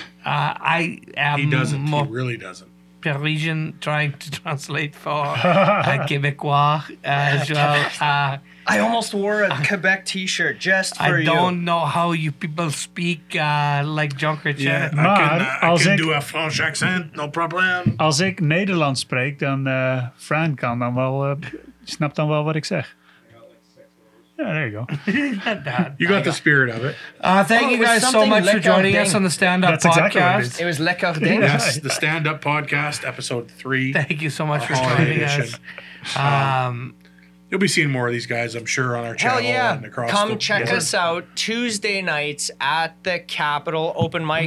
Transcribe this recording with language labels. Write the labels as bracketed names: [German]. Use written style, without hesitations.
[English] I am. He doesn't. He really doesn't. Parisian trying to translate for a Quebecois as well. I almost wore a Quebec t-shirt just for you. I don't know how you people speak like Jonker. Yeah, I can do a French accent, no problem. [Dutch] Als ik Nederlands spreek, dan Fran kan dan wel, snap dan wel wat ik zeg. [English] Yeah, there you go. You got the spirit of it. Thank you guys so much for joining us on the Stand Up Podcast. Exactly it was Le Cardin. Yes, the Stand Up Podcast, episode 3. Thank you so much for joining us. You'll be seeing more of these guys, I'm sure, on our channel. Hell yeah. And across us out Tuesday nights at the Capitol Open Mics.